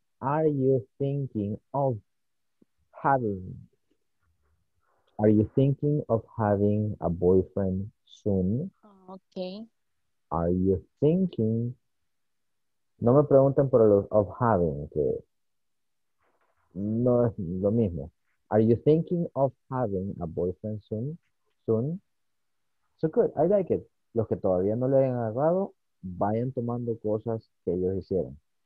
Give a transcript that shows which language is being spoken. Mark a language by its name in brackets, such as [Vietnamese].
[English] Are you thinking of are you thinking of having a boyfriend soon? Okay. Are you thinking? [Spanish] No me pregunten por el of having, que no es lo mismo. [English] Are you thinking of having a boyfriend soon? Soon? So good. I like it. [Spanish] Los que todavía no le hayan agarrado, vayan tomando cosas que ellos hicieron.